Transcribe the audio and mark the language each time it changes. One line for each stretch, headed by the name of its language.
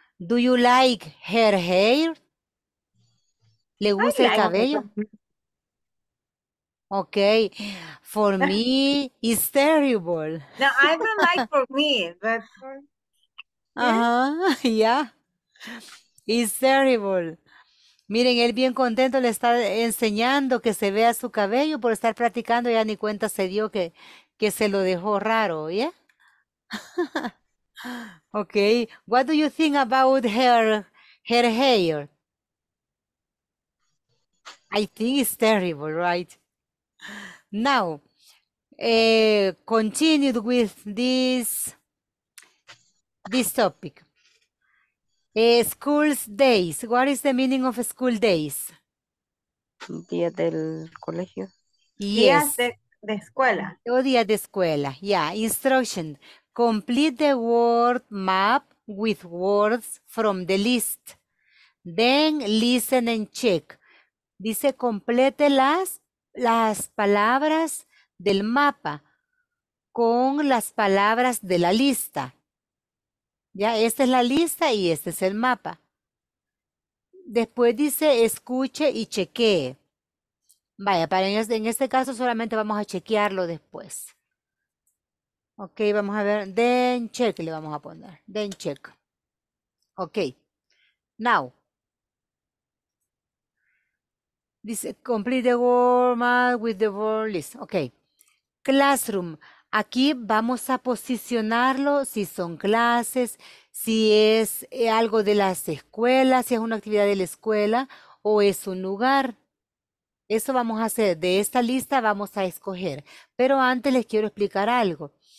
English: Do you like her hair?
Spanish: ¿Le gusta el cabello?
English: Okay, for me, it's terrible. No, I don't like for me, but for yeah, it's terrible.
Spanish: Miren, él bien contento le está enseñando que se vea su cabello por estar practicando, ya ni cuenta se dio que se lo dejó raro, ¿ya?
English: Okay, what do you think about her hair? I think it's terrible, right? Now, continued with this topic. School days. What is the meaning of school days?
Spanish: Día del colegio.
English: Yes.
Spanish: Día de escuela. O día de escuela.
English: Yeah. Instruction. Complete the word map with words from the list. Then listen and check.
Spanish: Dice complete las palabras del mapa con las palabras de la lista. Ya, esta es la lista y este es el mapa. Después dice escuche y chequee. Vaya, en este caso solamente vamos a chequearlo después. Ok, vamos a ver.
English: Then check
Spanish: le vamos a poner. Then check. Ok. Now. Dice
English: complete the warm up with the word list. Ok. Classroom.
Spanish: Aquí vamos a posicionarlo si son clases, si es algo de las escuelas, si es una actividad de la escuela o es un lugar. Eso vamos a hacer. De esta lista vamos a escoger. Pero antes les quiero explicar algo.